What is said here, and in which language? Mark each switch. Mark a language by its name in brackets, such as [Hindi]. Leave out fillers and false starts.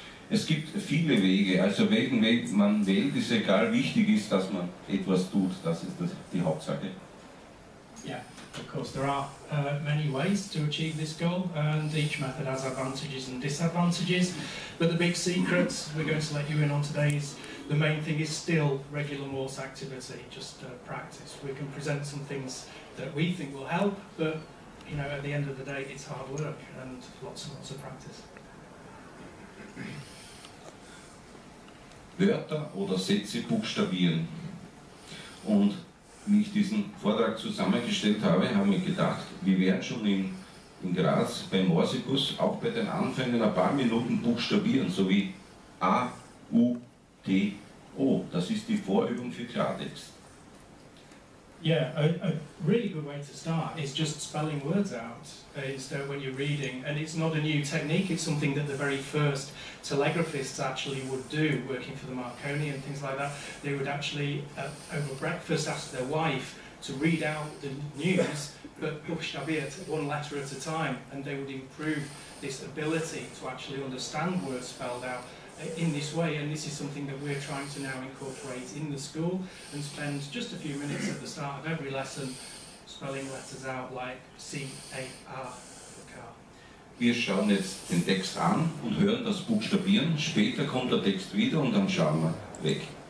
[German] Es gibt viele Wege, also welchen Weg man wählt, ist egal, wichtig ist, dass man etwas tut, das ist die Hauptsache. [English] Ja, of course, there are many ways to achieve this goal, and each method has advantages and disadvantages, but the big secret we're going to let you in on today is the main thing is still regular Morse activity, just practice. We can present some things that we think will help, but you know, at the end of the day, it's hard work and lots and lots of practice. [German] Wörter oder Sätze buchstabieren. Und wie ich diesen Vortrag zusammengestellt habe, habe ich gedacht, wir werden schon in Graz beim Morsekurs auch bei den Anfängen ein paar Minuten buchstabieren, so wie A, U, T, O. Das ist die Vorübung für Klartext. [English] Yeah, a really good way to start is just spelling words out instead when you're reading. And it's not a new technique, it's something that the very first telegraphists actually would do, working for the Marconi and things like that. They would actually, over breakfast, ask their wife to read out the news, but [German] buchstabiert [English] one letter at a time, and they would improve this ability to actually understand words spelled out in this way, and this is something that we're trying to now incorporate in the school and spend just a few minutes at the start of every lesson spelling letters out like C-A-R for car. [German] Wir schauen jetzt den Text an und hören das Buchstabieren. Später kommt der Text wieder und dann schauen wir weg.